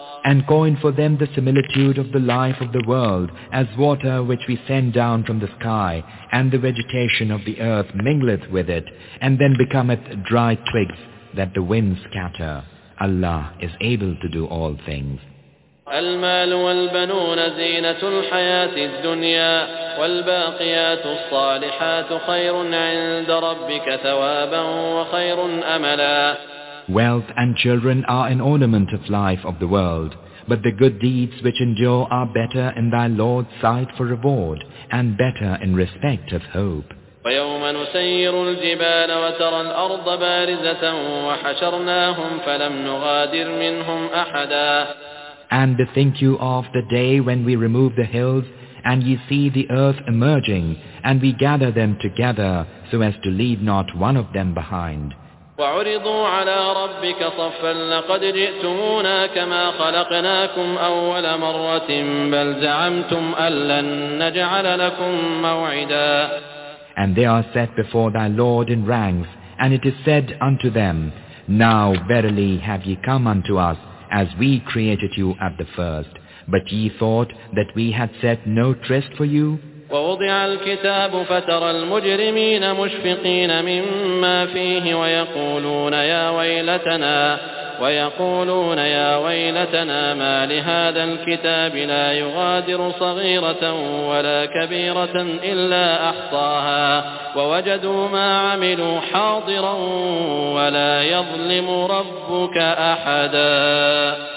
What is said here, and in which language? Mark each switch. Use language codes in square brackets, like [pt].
[en] And coin for them the similitude of the life of the world, as water which we send down from the sky, and the vegetation of the earth mingleth with it, and then becometh dry twigs that the winds scatter. Allah is able to do all things. [ar] المال والبنون زينة الحياة الدنيا والباقيات الصالحات خير عند ربك ثوابا وخير أملا. [en] Wealth and children are an ornament of life of the world, but the good deeds which endure are better in thy Lord's sight for reward, and better in respect of hope. [ar] ويوم نسير الجبال وترى الأرض بارزة وحشرناهم فلم نغادر منهم أحدا. [en] And bethink you of the day when we remove the hills and ye see the earth emerging and we gather them together so as to leave not one of them behind. [ar] وعرضوا على ربك صفا لقد جئتمونا كما خلقناكم أول مرة بل زعمتم ألن نجعل لكم موعدا. [en] And they are set before thy Lord in ranks, and it is said unto them, Now verily have ye come unto us, as we created you at the first. But ye thought that we had set no tryst for you. [ar] وَوُضِعَ الْكِتَابُ فَتَرَى الْمُجْرِمِينَ مُشْفِقِينَ مِمَّا فِيهِ وَيَقُولُونَ يَا وَيْلَتَنَا وَيَقُولُونَ يَا وَيْلَتَنَا مَا لِهَذَا الْكِتَابِ لَا يُغَادِرُ صَغِيرَةً وَلَا كَبِيرَةً إِلَّا أَحْصَاهَا وَوَجَدُوا مَا عَمِلُوا حَاضِرًا وَلَا يَظْلِمُ رَبُّكَ أَحَدًا.